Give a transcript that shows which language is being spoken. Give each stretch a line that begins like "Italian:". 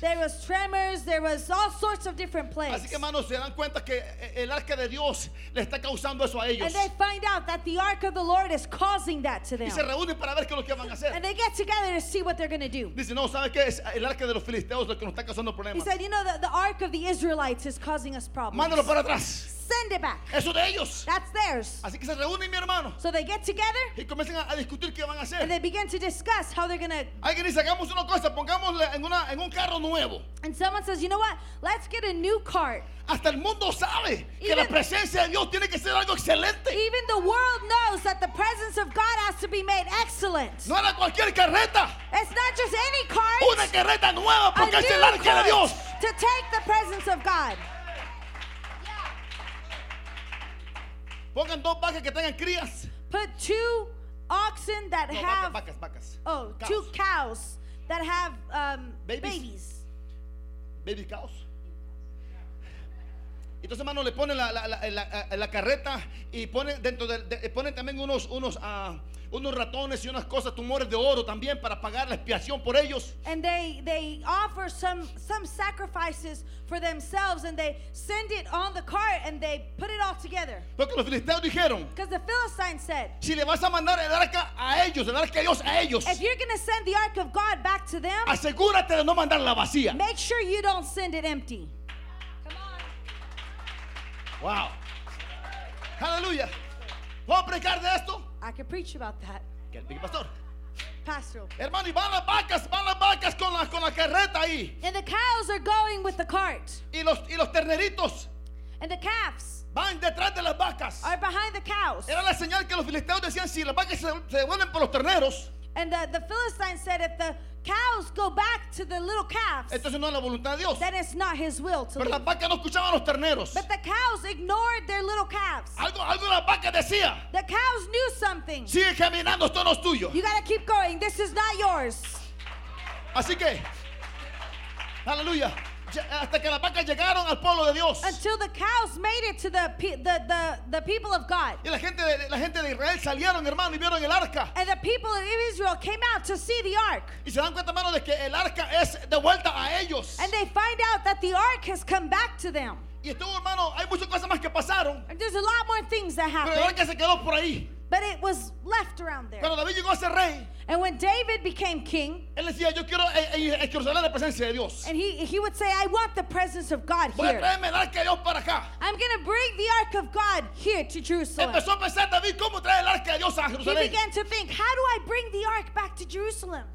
English: There was tremors, there was all sorts of different plagues.
Spanish: Así que hermanos, se dan cuenta que el arca de Dios le está causando eso a ellos.
English: And they find out that the ark of the Lord is causing that to them.
Spanish: Y se reúnen para ver qué es lo que van a hacer.
English: And they get together to see what they're going to do.
Spanish: Dice, no, ¿sabes qué? Es el arca de los filisteos lo que nos está causando problemas.
English: He said, you know, the ark of the Israelites is causing us problems.
Spanish: Mándalo para atrás.
English: Send it back.
Spanish: Eso de ellos.
English: That's theirs.
Spanish: Así que se reúnen, mi hermano.
English: So they get together.
Spanish: Y comienzan a discutir qué van a hacer.
English: And they begin to discuss how they're going to.
Spanish: Alguien dice, hagamos una cosa, pongámosle en un carro nuevo.
English: And someone says, you know what? Let's get a new cart.
Spanish: Hasta el mundo sabe even, que la presencia de Dios tiene que ser algo excelente.
English: Even the world knows that the presence of God has to be made excellent.
Spanish: No era cualquier carreta.
English: It's not just any cart.
Spanish: Una carreta nueva porque es el arca de Dios.
English: To take the presence of God.
Spanish: Pongan dos vacas que tengan crías.
English: Put two oxen that
Spanish: no,
English: have
Spanish: vacas.
English: Oh, cows. Two cows that have babies. Baby cows.
Spanish: Entonces, hermano, le ponen la carreta y ponen dentro de ponen también unos ratones y unas cosas, tumores de oro también para pagar la expiación por ellos.
English: And they offer some sacrifices for themselves and they send it on the cart and they put it all together.
Spanish: Porque los filisteos dijeron,
English: because the Philistines said,
Spanish: si le vas a mandar el arca a ellos, el arca de Dios a ellos,
English: if you're going to send the ark of God back to them,
Spanish: asegúrate de no mandarla vacía.
English: Make sure you don't send it empty. Come on. Wow. Hallelujah.
Spanish: ¿Puedo predicar de esto?
English: I could preach about that.
Spanish: Pastor.
English: Pastoral.
Spanish: Hermano, van las vacas con la carreta ahí.
English: And the cows are going with the cart.
Spanish: Y los terneritos.
English: And the calves.
Spanish: Van detrás de las vacas.
English: Are behind the cows.
Spanish: Era la señal que los filisteos decían si las vacas se vuelven por los terneros.
English: And the Philistines said if the cows go back to the little calves,
Spanish: entonces no es la voluntad de Dios.
English: Then it's not his will to
Spanish: pero
English: leave.
Spanish: Las vacas no escuchaban los terneros.
English: But the cows ignored their little calves.
Spanish: Algo la vaca decía.
English: The cows knew something.
Spanish: Sigue caminando, esto no es tuyo.
English: You gotta keep going. This is not yours.
Spanish: Así que, aleluya. Hasta que las vacas llegaron al pueblo de Dios.
English: Until the cows made it to the people of God.
Spanish: Y la gente de Israel salieron, hermano, y vieron el arca.
English: And the people of Israel came out to see the ark.
Spanish: Y se dan cuenta, hermano, de que el arca es de vuelta a ellos.
English: And they find out that the ark has come back to them.
Spanish: Y estuvo, hermano, hay muchas cosas más que pasaron.
English: And there's a lot more things that happened.
Spanish: Pero el arca se quedó por ahí.
English: But it was left around there.
Spanish: Cuando David llegó a ser rey,
English: and when David became king,
Spanish: él decía, yo quiero Jerusalén, la presencia de Dios.
English: And he would say, I want the presence of God
Spanish: voy
English: here.
Spanish: A traerme el arca de Dios para acá.
English: I'm going to bring the ark of God here to Jerusalem.
Spanish: Empezó a pensar, David, ¿cómo trae el arca de Dios a Jerusalén?
English: He began to think, how do I bring the ark back to Jerusalem?